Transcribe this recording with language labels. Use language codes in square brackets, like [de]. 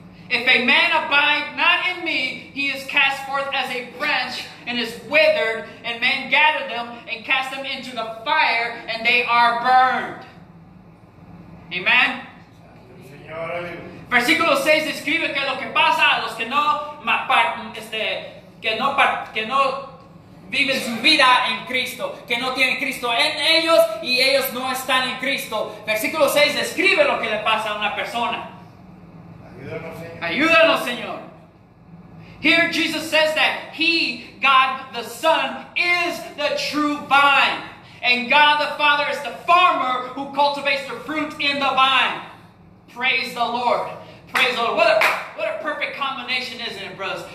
[en] If a man abide not in me, he is cast forth as a branch and is withered, and men gather them and cast them into the fire, and they are burned. Amen? [es] Señor. Versículo 6 describe que lo que pasa a los que no, que no viven su vida en Cristo, que no tienen Cristo en ellos y ellos no están en Cristo. Versículo 6 describe lo que le pasa a una persona. Ayúdanos, Señor. [en] Here Jesus says that he, God the Son, is the true vine. And God the Father is the farmer who cultivates the fruit in the vine. Praise the Lord. Praise the Lord. What a perfect combination, isn't it, brothers?